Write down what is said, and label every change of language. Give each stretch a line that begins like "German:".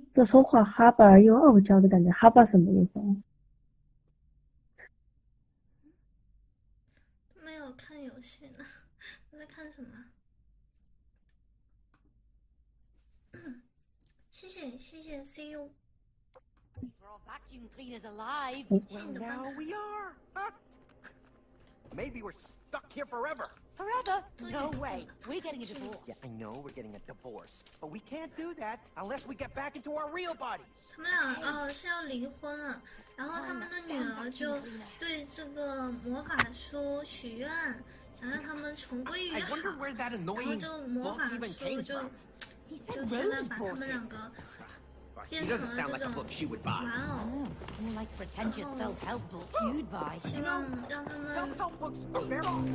Chinese: 这说话哈巴又傲娇的感觉，哈巴什么意思？没有看游戏呢，你在看什么？谢谢谢谢 ，
English: see you。 We're all vacuum cleaners alive. Well, now we are. Maybe we're stuck here forever. Forever? No way. We're getting a divorce. Yeah, I know we're getting a divorce, but we can't do that unless we get back into our real bodies.
Chinese: 他们俩是要离婚了，然后他们的女儿就对这个魔法书许愿，想让他们重归于好。然后这个魔法书就现在把他们两个。
English: He doesn't sound like a book she would buy. Wow, more like pretentious self-help book you'd buy. You know, self-help books are very.